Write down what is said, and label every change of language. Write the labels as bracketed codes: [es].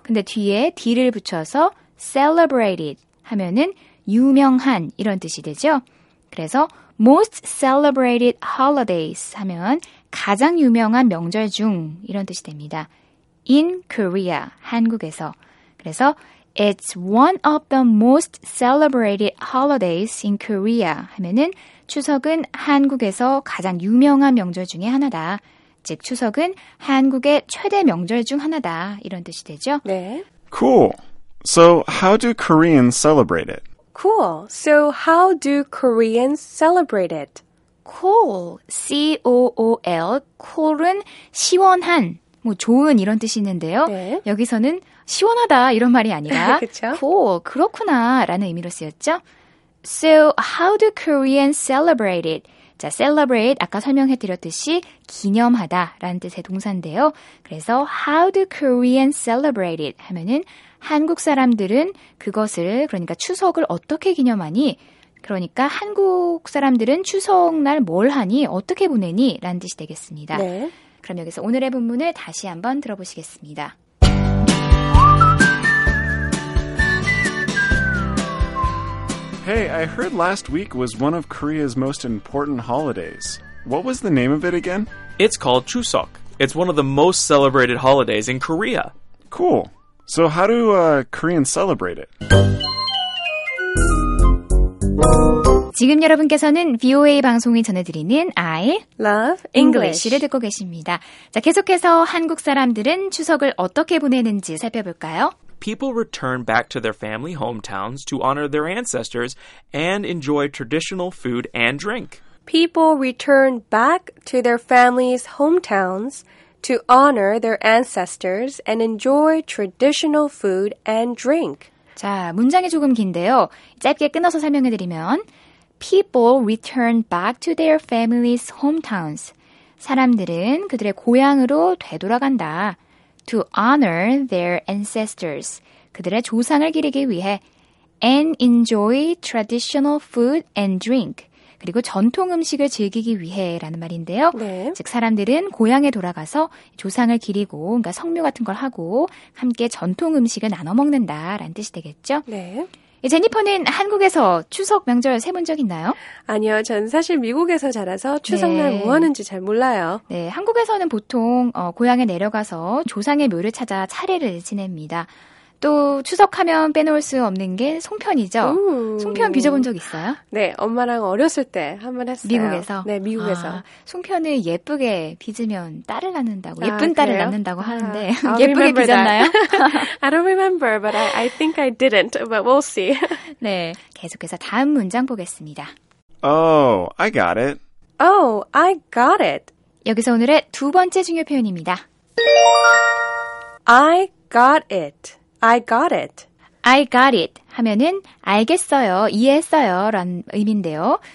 [ko] 근데 뒤에 D를 붙여서 Celebrated 하면은 유명한 이런 뜻이 되죠. 그래서 [en] Most Celebrated Holidays [ko] 하면 가장 유명한 명절 중 이런 뜻이 됩니다. [en] In Korea, [ko] 한국에서. [en] 그래서 It's one of the most celebrated holidays in Korea [ko] 하면은 추석은 한국에서 가장 유명한 명절 중에 하나다. 즉 추석은 한국의 최대 명절 중 하나다. 이런 뜻이 되죠. 네. [en] Cool. So how do Koreans celebrate it? Cool. So how do Koreans celebrate it? Cool. C-O-O-L. [ko] Cool은 시원한, 뭐 좋은 이런 뜻이 있는데요. 네. 여기서는 시원하다 이런 말이 아니라 [en] cool, [ko] 그렇구나 라는 의미로 쓰였죠. [en] So how do Koreans celebrate it? [ko] 자, celebrate 아까 설명해드렸듯이 기념하다 라는 뜻의 동사인데요. [en] 그래서 how do Koreans celebrate it? [ko] 하면은 한국 사람들은 그것을 그러니까 추석을 어떻게 기념하니? 그러니까 한국 사람들은 추석날 뭘 하니? 어떻게 보내니? 라는 뜻이 되겠습니다. 네. 그럼 여기서 오늘의 본문을 다시 한번 들어보시겠습니다. [en] Hey, I heard last week was one of Korea's most important holidays. What was the name of it again? It's called Chuseok. It's one of the most celebrated holidays in Korea. Cool. So how do Koreans celebrate it? [ko] 지금 여러분께서는 VOA 방송이 전해드리는 I [en] Love English를 [ko] 듣고 계십니다. 자, 계속해서 한국 사람들은 추석을 어떻게 보내는지 살펴볼까요? [en] People return back to their family hometowns to honor their ancestors and enjoy traditional food and drink. People return back to their family's hometowns to honor their ancestors and enjoy traditional food and drink. [ko] 자, 문장이 조금 긴데요. 짧게 끊어서 설명해드리면 [en] People return back to their family's hometowns. [ko] 사람들은 그들의 고향으로 되돌아간다. [en] To honor their ancestors. [ko] 그들의 조상을 기리기 위해 [en] and enjoy traditional food and drink. [ko] 그리고 전통 음식을 즐기기 위해 라는 말인데요. 네. 즉 사람들은 고향에 돌아가서 조상을 기리고 그러니까 성묘 같은 걸 하고 함께 전통 음식을 나눠 먹는다 라는 뜻이 되겠죠. 네. 제니퍼는 한국에서 추석 명절 세운 적 있나요? 아니요. 전 사실 미국에서 자라서 추석날 네. 뭐 하는지 잘 몰라요. 네. 한국에서는 보통 고향에 내려가서 조상의 묘를 찾아 차례를 지냅니다. 또 추석하면 빼놓을 수 없는 게 송편이죠. 송편 빚어본 적 있어요? 네. 엄마랑 어렸을 때 한번 했어요. 미국에서? 네. 미국에서. 아, 송편을 예쁘게 빚으면 딸을 낳는다고, 예쁜 아, 딸을 낳는다고 하는데 예쁘게 빚었나요? [en] I don't remember, but I think I didn't, but we'll see. [ko] 네. 계속해서 다음 문장 보겠습니다. [en] Oh, I got it. Oh, I got it. [ko] 여기서 오늘의 두 번째 중요 표현입니다. [en] I got it. I got it. I got it [ko] 하면은 알겠어요, 이해했어요 라는 의미인데요.